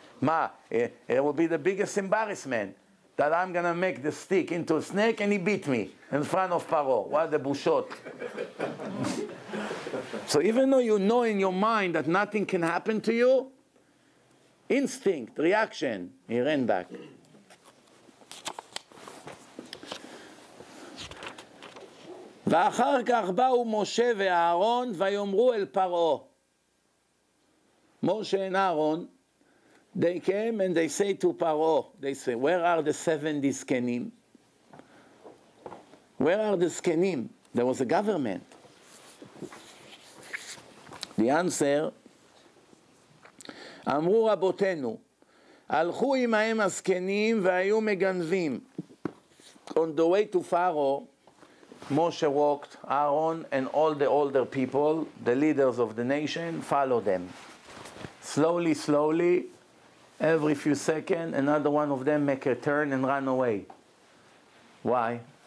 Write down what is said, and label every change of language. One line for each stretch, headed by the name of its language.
English: Ma, it will be the biggest embarrassment that I'm going to make the stick into a snake and he beat me in front of Paro. What the bouchot. So even though you know in your mind that nothing can happen to you, instinct, reaction, he ran back.
Hebrew: ואחר כך באו משה ואהרון ויאמרו אל פרעה.
English: משה and Aaron, they came and they say to Paro, they say, where are the 70 skenim? Where are the skenim? There was a government. The answer,
Hebrew: אמרו רבותינו, הלכו עמהם הזקנים והיו מגנבים.
English: On the way to Pharaoh, Moshe walked, Aaron and all the older people, the leaders of the nation, followed them. Slowly, slowly, every few seconds, another one of them make a turn and run away. Why?